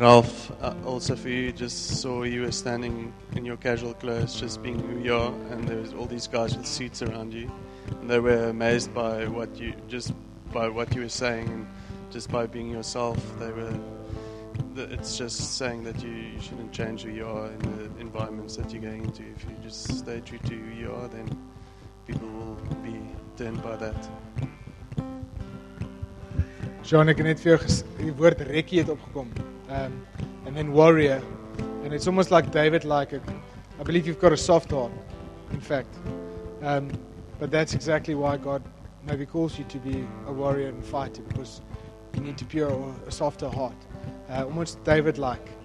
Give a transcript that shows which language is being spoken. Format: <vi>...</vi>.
<en>Ralph, also for you, just saw you were standing in your casual clothes, just being who you are, and there's all these guys with suits around you, and they were amazed by what you just by what you were saying, and just by being yourself. They were. It's just saying that you shouldn't change who you are in the environments that you're going into. If you just stay true to who you are, then people will be turned by that.</en> <af>John, ek net vir jou die woord Rekkie het opgekom.</af> <en>And then warrior, and it's almost like David, like it. I believe you've got a soft heart, in fact. But that's exactly why God maybe calls you to be a warrior and fighter, because you need to pure a softer heart, almost David-like.</en>